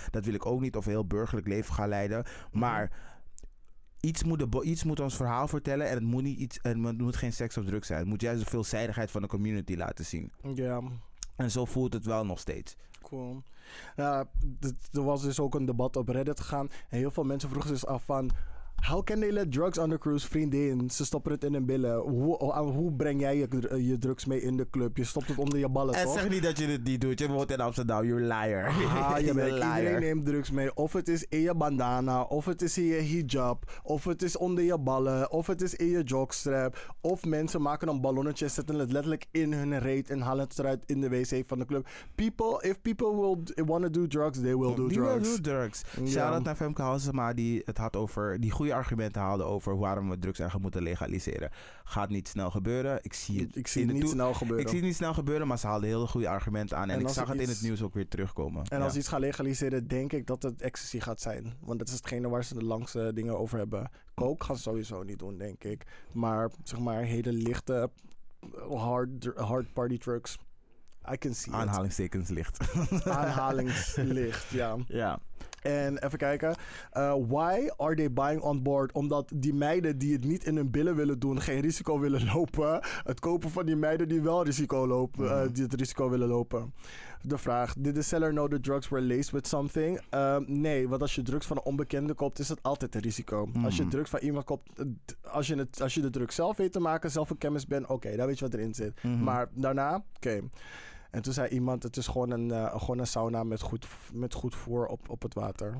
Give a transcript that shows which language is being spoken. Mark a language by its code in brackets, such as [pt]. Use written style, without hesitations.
[nl] Dat wil ik ook niet, of heel burgerlijk leven gaan leiden. Maar iets moet ons verhaal vertellen en het moet geen seks of drugs zijn. Het moet juist de veelzijdigheid van de community laten zien. Ja. En zo voelt het wel nog steeds. Cool. Ja, er was dus ook een debat op Reddit gegaan. En heel veel mensen vroegen zich af van... [en] How can they let drugs on the cruise, [nl] vriendin? Ze stoppen het in hun billen. Hoe breng jij je drugs mee in de club? Je stopt het onder je ballen, en toch? En zeg niet dat je het niet doet. Je woont in Amsterdam. [en] You're a liar. [nl] Iedereen neemt drugs mee. Of het is in je bandana. Of het is in je hijab. Of het is onder je ballen. Of het is in je jogstrap. Of mensen maken een ballonnetje, zetten het letterlijk in hun reet en halen het eruit in de wc van de club. [en] If people will want to do drugs, they will do drugs. [nl] Die wil drugs. Shout out naar Femke Halsema, die het had over die goede argumenten haalden over waarom we drugs eigenlijk moeten legaliseren. Gaat niet snel gebeuren. Ik zie het niet snel gebeuren, maar ze haalden heel goede argumenten aan. En ik zag het in het nieuws ook weer terugkomen. En als ze iets gaan legaliseren, denk ik dat het ecstasy gaat zijn. Want dat is hetgene waar ze de langste dingen over hebben. Coke gaan ze sowieso niet doen, denk ik. Maar zeg maar hele lichte hard party drugs. [en] I can see [nl] aanhalingstekens [en] it. [nl] Licht. Aanhalingslicht, ja. Ja. En even kijken. [en] Why are they buying on board? [nl] Omdat die meiden die het niet in hun billen willen doen, geen risico willen lopen. Het kopen van die meiden die wel risico lopen, die het risico willen lopen. De vraag. [en] Did the seller know the drugs were laced with something? [nl] Nee, want als je drugs van een onbekende koopt, is dat altijd een risico. Als je drugs van iemand koopt, als je de drugs zelf weet te maken, zelf een chemist bent, oké, dan weet je wat erin zit. Mm-hmm. Maar daarna, oké. En toen zei iemand, het is gewoon een sauna met goed voer op het water.